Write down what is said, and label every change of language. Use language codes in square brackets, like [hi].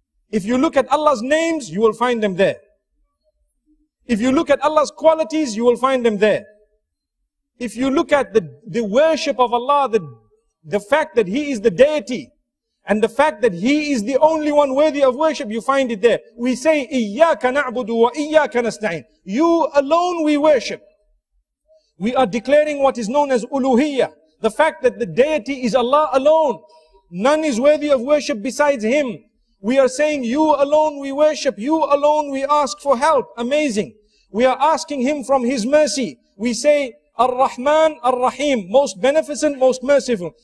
[en] If you look at Allah's names, you will find them there. If you look at Allah's qualities, you will find them there. If you look at the worship of Allah, the fact that He is the deity, and the fact that He is the only one worthy of worship, you find it there. [ar] We say, إِيَّاكَ نَعْبُدُ وَإِيَّاكَ نَسْتَعِينَ. [en] You alone we worship. We are declaring what is known as uluhiyyah. The fact that the deity is Allah alone. None is worthy of worship besides Him. We are saying, you alone we worship, you alone we ask for help. Amazing. We are asking Him from His mercy. We say, Ar-Rahman, Ar-Rahim, most beneficent, most merciful.